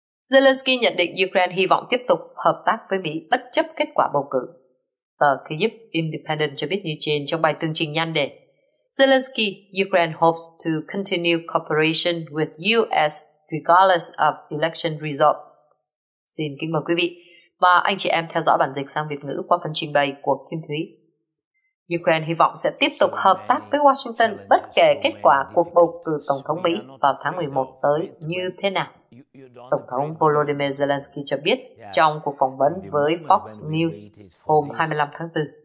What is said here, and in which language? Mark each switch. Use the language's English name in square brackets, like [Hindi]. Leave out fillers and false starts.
[Vietnamese] Zelensky nhận định Ukraine hy vọng tiếp tục hợp tác với Mỹ bất chấp kết quả bầu cử. Tờ Kyiv Independent cho biết như trên trong bài tường trình nhan đề. [English] Zelensky, Ukraine hopes to continue cooperation with US regardless of election results. [Vietnamese] Xin kính mời quý vị và anh chị em theo dõi bản dịch sang Việt ngữ qua phần trình bày của Kim Thúy. Ukraine hy vọng sẽ tiếp tục hợp tác với Washington bất kể kết quả cuộc bầu cử Tổng thống Mỹ vào tháng 11 tới như thế nào. Tổng thống Volodymyr Zelensky cho biết trong cuộc phỏng vấn với Fox News hôm 25 tháng 4.